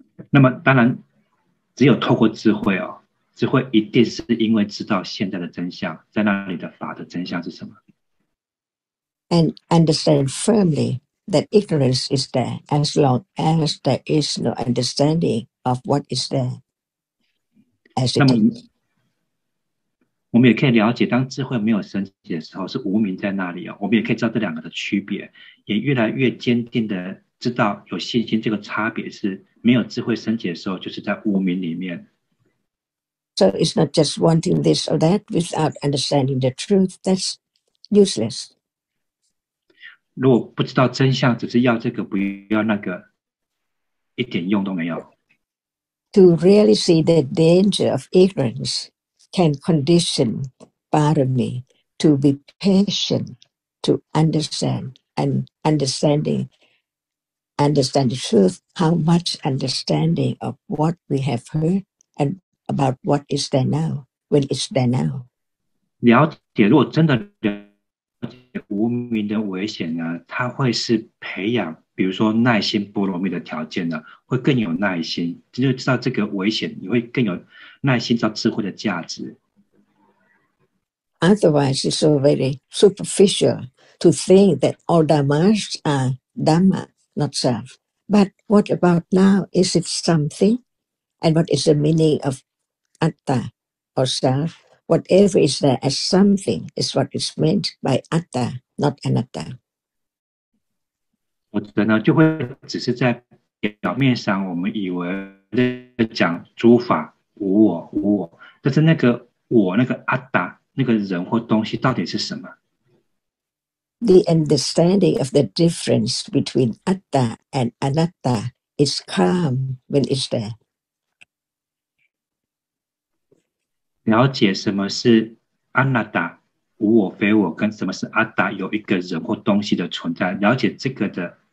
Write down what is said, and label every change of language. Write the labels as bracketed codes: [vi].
[zh] 那么当然只有透过智慧哦，智慧一定是因为知道现在的真相，在那里的法的真相是什么。 [en] And understand firmly that ignorance is there as long as there is no understanding of what is there. [zh] 那么我们也可以了解，当智慧没有升起的时候，是无明在那里哦。我们也可以知道这两个的区别，也越来越坚定的知道有信心。这个差别是没有智慧升起的时候，就是在无明里面。 [en] So it's not just wanting this or that without understanding the truth. That's useless. [zh] 如果不知道真相，只是要这个不要那个，一点用都没有。 [en] To really see the danger of ignorance can condition Bharami to be patient to understand and understand the truth. How much understanding of what we have heard and about what is there now when it's there now. [zh] 了解，如果真的了解无明的危险呢，它会是培养。比如说耐心波罗蜜的条件呢，会更有耐心，就知道这个危险，你会更有耐心，知道智慧的价值。 [en] Otherwise, it's so very superficial to think that all dhammas are dhamma, not self. But what about now? Is it something? And what is the meaning of atta or self? Whatever is there as something is what is meant by atta, not anatta. [zh] 否则呢，就会只是在表面上，我们以为在讲诸法无我无我，但是那个我那个阿达那个人或东西到底是什么 [en] ？The understanding of the difference between atta and anatta is calm when it's there. [zh] 了解什么是 anatta 无我非我，跟什么是 atta 有一个人或东西的存在，了解这个的。